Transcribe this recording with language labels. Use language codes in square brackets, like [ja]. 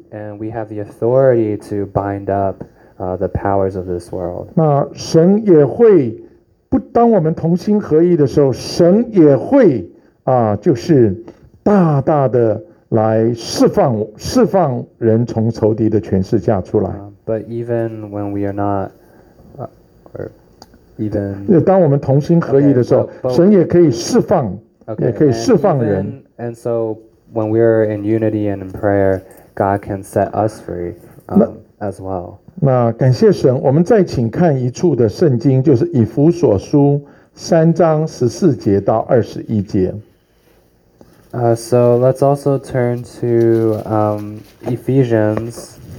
[en] and we have the authority to bind up the powers of this world. [zh] 那神也会, 不当我们同心合意的时候, 神也会, 就是大大的来释放, 释放人从仇敌的权势下出来。 [en] But even when we are not, even [zh] 当我们同心合意的时候, [en] okay, but [zh] 神也可以释放, [en] okay, [zh] 也可以释放人。 [en] And, even, and so when we are in unity and in prayer, God can set us free as well. [zh] 那感谢神, 我们再请看一处的圣经, 就是以弗所书 3章14节到21节。 [en] So let's also turn to Ephesians